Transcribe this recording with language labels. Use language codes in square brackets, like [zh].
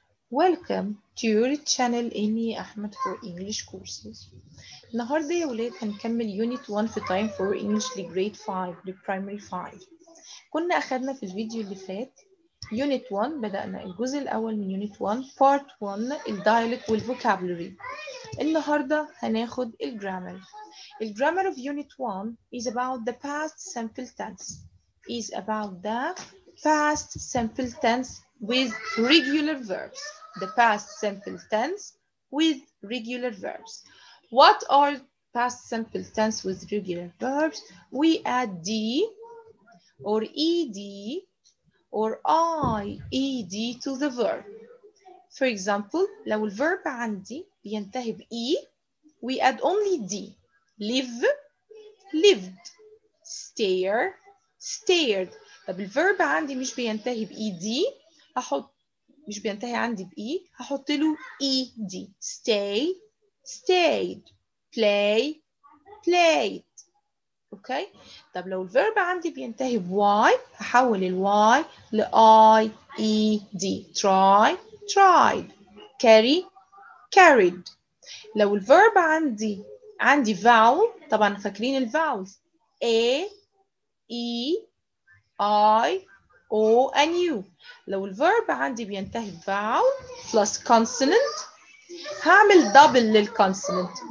[en] Welcome to your channel Amy Ahmed for English courses. [ar] النهارده يا ولاد هنكمل يونت 1 في تايم 4 English لجريد 5 للبرايمري 5. كنا اخذنا في الفيديو اللي فات يونت 1 بدانا الجزء الاول من يونت 1 بارت 1 الدايلوج والفوكابولري. النهارده هناخد الجرامر. [en] الجرامر of unit 1 is about the past simple tense. Is about the past simple tense with regular verbs. The past simple tense with regular verbs. What are past simple tense with regular verbs? We add D or ED or IED to the verb. For example, [ar] لو الverb عندي بينتهي بE, [en] we add only D. Live, lived. Stare, stared. [ar] طب الفيرب عندي مش بينتهي بإي دي هحط مش بينتهي عندي بإي هحط له إي دي [en] stay stayed play played okay. [ar] طب لو الفيرب عندي بينتهي بواي هحول الواي لآي إي دي [en] try tried carry carried. [ar] لو الفيرب عندي vowel طبعا فاكرين الفاولز [en] A E I, O, and U. [ar] لو الverb عندي بينتهي [en] vowel plus consonant [ar] هعمل double للconsonant.